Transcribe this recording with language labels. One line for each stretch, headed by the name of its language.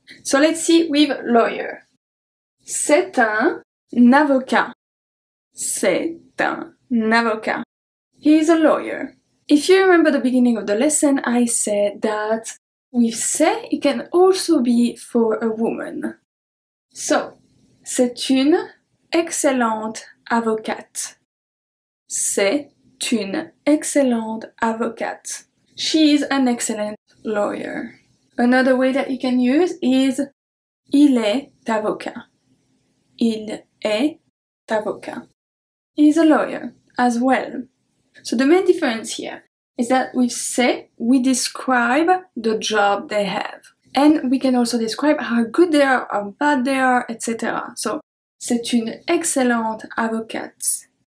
English: So let's see with lawyer.
French: C'est un avocat. C'est un avocat.
English: He is a lawyer. If you remember the beginning of the lesson, I said that with c'est, it can also be for a woman.
French: So, c'est une excellente avocate. C'est une excellente avocate.
English: She is an excellent lawyer. Another way that you can use is
French: il est avocat. Il est avocat.
English: He's a lawyer as well. So the main difference here is that with c'est, we describe the job they have. And we can also describe how good they are, how bad they are, etc.
French: So, c'est une excellente avocate.